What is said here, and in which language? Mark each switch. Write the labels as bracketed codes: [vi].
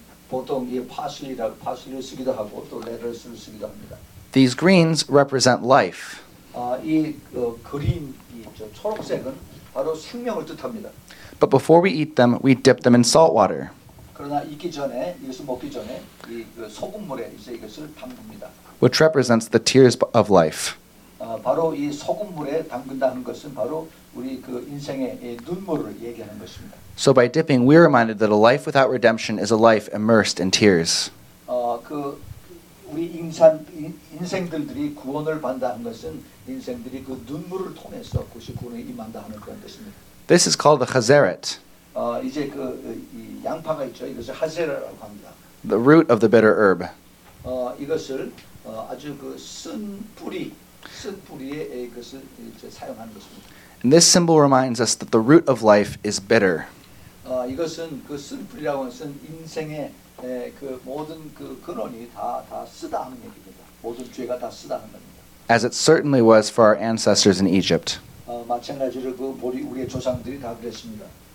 [ko] 보통 이 파슬리를 쓰기도 하고 또 레터스를 쓰기도 합니다. [en] These greens represent life. [ko] 이 그린 이죠 초록색은 바로 생명을 뜻합니다. [en] But before we eat them, we dip them in salt water. [ko] 그러나 익기 전에 이것을 먹기 전에 이 그 소금물에 이제 이것을 담깁니다. [en] Which represents the tears of life. [ko] 바로 이 소금물에 담근다는 것은 바로 우리 그 인생의 눈물을 얘기하는 것입니다. [en] So by dipping, we are reminded that a life without redemption is a life immersed in tears. [ko] 그 우리 인생들이 구원을 받는 것은 인생들이 그 눈물을 통해서 그것이 구원에 임한다 하는 그런 뜻입니다. [en] This is called the Chazeret. [ko] 이제 그 이 양파가 있죠. 이것을 하제라라고 합니다. [en] The root of the bitter herb. [ko] 이것을 아주 그 쓴 뿌리, 쓴 뿌리에 이것을 이제 사용하는 것입니다. [en] And this symbol reminds us that the root of life is bitter. [ko] 이것은 그 쓴 뿌리라고 하는 인생의 그 모든 그 근원이 다 쓰다 하는 얘기입니다. 모든 죄가 다 쓰다 하는 겁니다. [en] As it certainly was for our ancestors in Egypt. [ko] 마찬가지로 그 우리의 조상들이 다 그랬습니다.